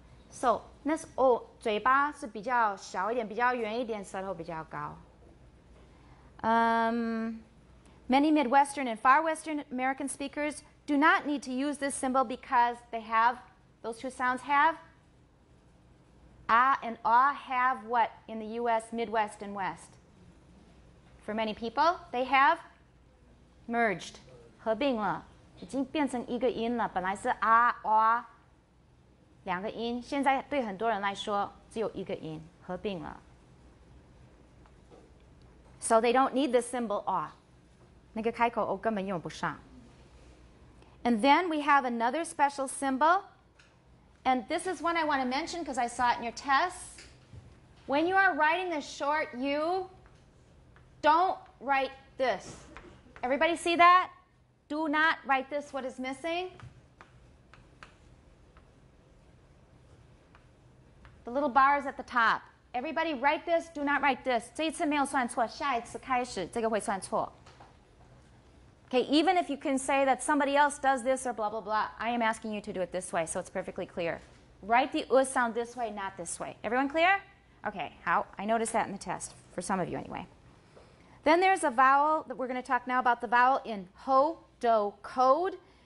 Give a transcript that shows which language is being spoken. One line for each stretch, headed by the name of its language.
Chinese: So, 那是哦,嘴巴是比较小一点,比较圆一点,舌头比较高。
English: Many Midwestern and Far Western American speakers do not need to use this symbol because they have, those two sounds have? Ah and ah have what in the U.S., Midwest and West? For many people, they have merged.
Chinese: 合并了，已经变成一个音了。本来是啊、哇、啊、两个音，现在对很多人来说只有一个音，合并了。
English: So they don't need the symbol a、
Chinese: 啊、那个开口 o、哦、根本用不上。
English: And then we have another special symbol, and this is one I want to mention because I saw it in your tests. When you are writing the short u, don't write this. Everybody see that? Do not write this. What is missing? The little bars at the top. Everybody write this. Do not write this.
Chinese: 这一次没有算错，下一次开始这个会算错。
English: Okay, even if you can say that somebody else does this or blah, blah, blah, I am asking you to do it this way so it's perfectly clear. Write the U sound this way, not this way. Everyone clear? Okay, how? I noticed that in the test, for some of you anyway. Then there's a vowel that we're going to talk now about, the vowel in ho. Do code.